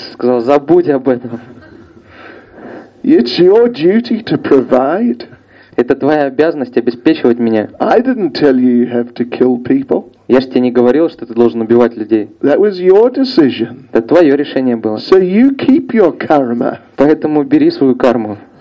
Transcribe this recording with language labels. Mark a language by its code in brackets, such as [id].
[ru] Сказала, забудь об этом. [en] It's your duty to provide. [ru] Это твоя обязанность обеспечивать меня. [en] I didn't tell you you have to kill people. [ru] Я же тебе не говорил, что ты должен убивать людей. [en] That was your decision. [ru] Это твое решение было. [en] So you keep your karma. [ru] Поэтому бери свою карму.